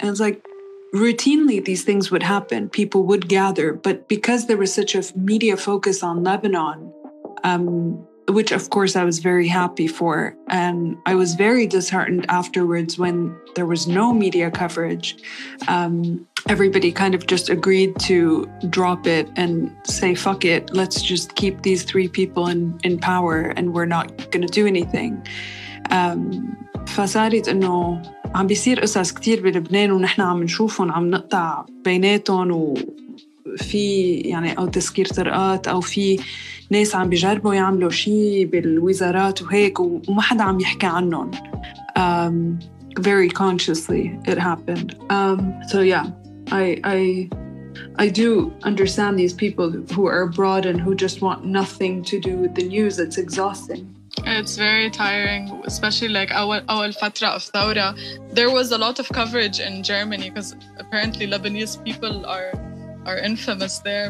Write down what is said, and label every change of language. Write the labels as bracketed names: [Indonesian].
[English] And it's like, routinely these things would happen, people would gather, but because there was such a media focus on Lebanon, which of course I was very happy for, and I was very disheartened afterwards when there was no media coverage. Everybody kind of just agreed to drop it and say, fuck it, let's just keep these three people in power and we're not going to do anything. [Arabic] فصارت انه عم بيصير قصص كتير بلبنان ونحن عم نشوفهم عم نقطع بيناتهم وفي يعني او تسكير طرقات او في ناس عم بيجربوا يعملوا شيء بالوزارات وهيك وما حدا عم يحكي عنهم. [English] Very consciously it happened. So yeah, I do understand these people who are abroad and who just want nothing to do with the news. It's exhausting. It's very tiring, especially like our Fatra of Thawra. There was a lot of coverage in Germany because apparently Lebanese people are infamous there.